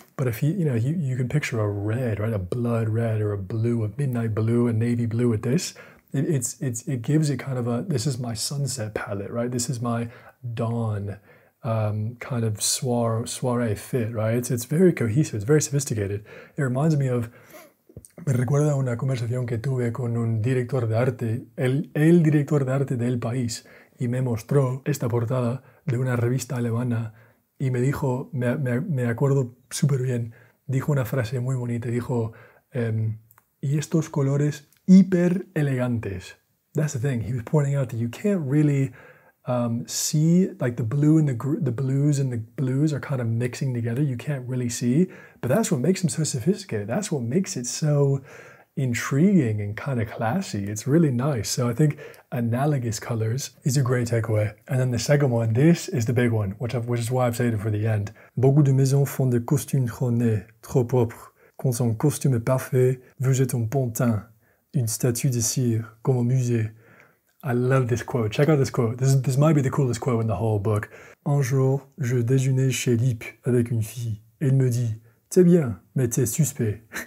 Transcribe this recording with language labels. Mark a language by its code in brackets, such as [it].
[en] But if you can picture a red, right? A blood red or a blue, a midnight blue, a navy blue with this. It gives it kind of this is my sunset palette, right? This is my dawn kind of soiree fit, right? It's very cohesive, it's very sophisticated. It reminds me of, [es] me recuerda una conversación que tuve con un director de arte, el director de arte del país, y me mostró esta portada de una revista alemana. Y me dijo, me acuerdo súper bien, dijo una frase muy bonita, dijo, y estos colores hiper elegantes. [en] That's the thing, he was pointing out that you can't really see, like the blue and the blues and the blues are kind of mixing together, you can't really see, but that's what makes them so sophisticated, that's what makes it so intriguing and kind of classy. It's really nice. So I think analogous colors is a great takeaway. And then the second one, this is the big one, which is why I've saved it for the end. [fr] Beaucoup de maisons font des costumes trop nets, trop propres. Qu'on son costume parfait, vous êtes un pontin, une statue de cire, comme au musée. [en] I love this quote. Check out this quote. This might be the coolest quote in the whole book. [fr] Un jour, je déjeunais chez Lip avec une fille. Elle me dit, t'es bien, mais t'es suspect.